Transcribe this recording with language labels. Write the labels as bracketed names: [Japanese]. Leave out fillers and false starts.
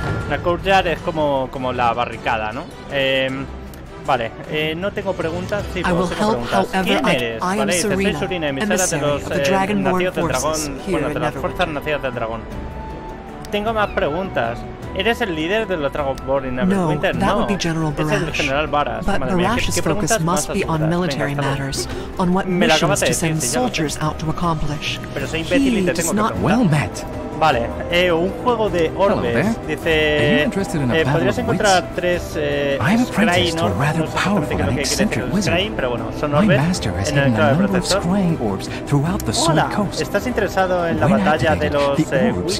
[Spanish] La courtyard es como la barricada, ¿no? Vale, no tengo preguntas. Sí, pues tengo preguntas. ¿Quién eres? ¿Vale? Soy Surina, emisaria de los nacidos del dragón. Bueno, de las fuerzas nacidas del dragón. Tengo más preguntas. ¿Eres el líder de los Dragonborn en Neverwinter? No, no. Es el general Varas. [English] But Barash's focus must be on military matters, on what missions to send soldiers out to accomplish. [Spanish] Pero soy imbécil y te tengo que preguntar. [English] Well met. [Spanish] Vale, un juego de orbes. Dice, ¿podrías encontrar tres Scrying orbes? No sé exactamente qué es lo que quiere decir Scrying, pero bueno, son orbes en el enclave protector. Hola, ¿estás interesado en la batalla de los Wisps?